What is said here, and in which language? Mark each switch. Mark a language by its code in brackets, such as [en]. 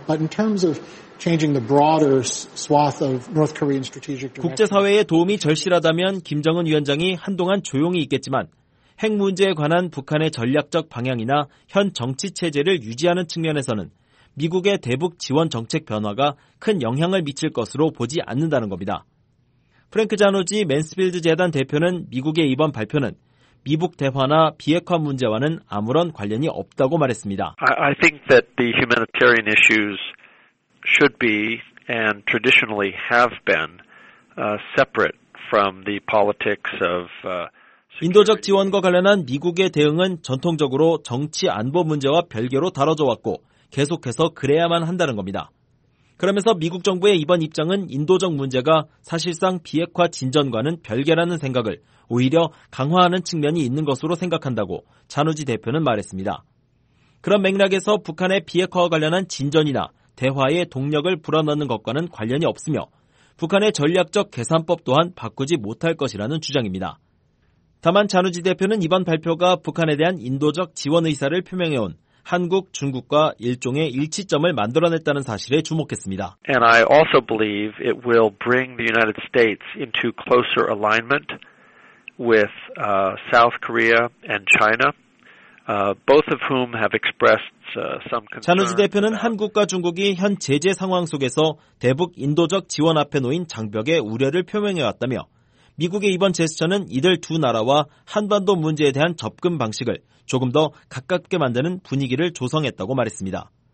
[en] But in terms of changing the broader swath of North Korean strategic direction, [ko] 국제사회의 도움이 절실하다면 김정은 위원장이 한동안 조용히 있겠지만 핵 문제에 관한 북한의 전략적 방향이나 현 정치 체제를 유지하는 측면에서는 미국의 대북 지원 정책 변화가 큰 영향을 미칠 것으로 보지 않는다는 겁니다. 프랭크 자노지 맨스필드 재단 대표는 미국의 이번 발표는 미북 대화나 비핵화 문제와는 아무런 관련이 없다고 말했습니다. [en] I think that the humanitarian issues should be and traditionally have been separate from the politics of [ko] 인도적 지원과 관련한 미국의 대응은 전통적으로 정치 안보 문제와 별개로 다뤄져 왔고 계속해서 그래야만 한다는 겁니다. 그러면서 미국 정부의 이번 입장은 인도적 문제가 사실상 비핵화 진전과는 별개라는 생각을 오히려 강화하는 측면이 있는 것으로 생각한다고 잔우지 대표는 말했습니다. 그런 맥락에서 북한의 비핵화와 관련한 진전이나 대화의 동력을 불어넣는 것과는 관련이 없으며 북한의 전략적 계산법 또한 바꾸지 못할 것이라는 주장입니다. 다만 잔우지 대표는 이번 발표가 북한에 대한 인도적 지원 의사를 표명해온 한국, 중국과 일종의 일치점을 만들어냈다는 사실에 주목했습니다. [en] And I also believe it will bring the United States into closer alignment with South Korea and China, both of whom have expressed some concern. [ko] 잔우지 대표는 한국과 중국이 현 제재 상황 속에서 대북 인도적 지원 앞에 놓인 장벽에 우려를 표명해 왔다며 미국의 이번 제스처는 이들 두 나라와 한반도 문제에 대한 접근 방식을 조금 더 가깝게 만드는 분위기를 조성했다고 말했습니다.